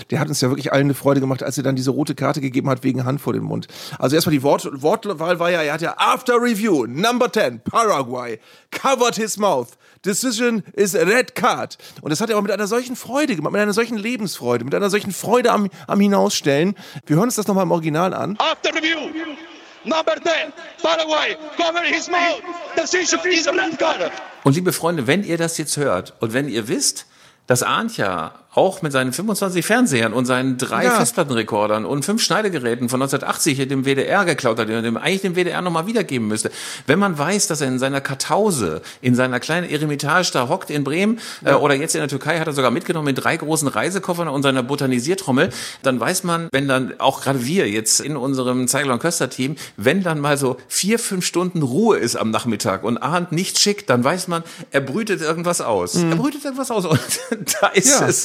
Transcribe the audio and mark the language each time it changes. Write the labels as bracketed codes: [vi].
[de] Der hat uns ja wirklich allen eine Freude gemacht, als er dann diese rote Karte gegeben hat wegen Hand vor den Mund. Also erstmal die Wortwahl war ja, er hat ja [en] after review, number 10, Paraguay, covered his mouth. Decision is a red card. [de] Und das hat er aber mit einer solchen Freude gemacht, mit einer solchen Lebensfreude, mit einer solchen Freude am Hinausstellen. Wir hören uns das nochmal im Original an. [en] After review, number 10, Paraguay, cover his mouth. Decision is a red card. [de] Und liebe Freunde, wenn ihr das jetzt hört und wenn ihr wisst, dass Arndt ja auch mit seinen 25 Fernsehern und seinen drei Festplattenrekordern und fünf Schneidegeräten von 1980 hier dem WDR geklaut hat und dem eigentlich dem WDR nochmal wiedergeben müsste. Wenn man weiß, dass er in seiner Kartause, in seiner kleinen Eremitage da hockt in Bremen oder jetzt in der Türkei, hat er sogar mitgenommen in drei großen Reisekoffern und seiner Botanisiertrommel, dann weiß man, wenn dann auch gerade wir jetzt in unserem Zeigler und Köster-Team, wenn dann mal so 4-5 Stunden Ruhe ist am Nachmittag und Arndt nicht schickt, dann weiß man, er brütet irgendwas aus. Mhm. Er brütet irgendwas aus und da ist es.